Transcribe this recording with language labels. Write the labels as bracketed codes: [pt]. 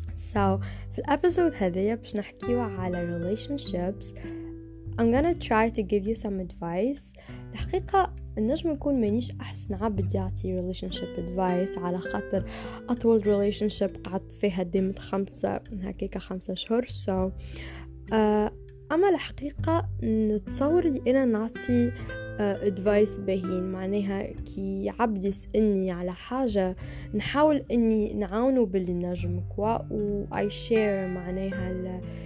[ar] So, في الابيسود هذايا باش نحكيوا على relationships. [en] I'm gonna try to give you some advice. [ar] الحقيقة نجم نكون مانيش احسن عبد يعطي [en] relationship advice [ar] على خاطر اطول relationship قعدت فيها ديمت خمسة شهور. So, اما الحقيقة نتصور لينا نعطي advice باهين معناها كي عبد يسألني على حاجة نحاول اني نعاونه باللي نجم كوا و [en] I share [ar] معناها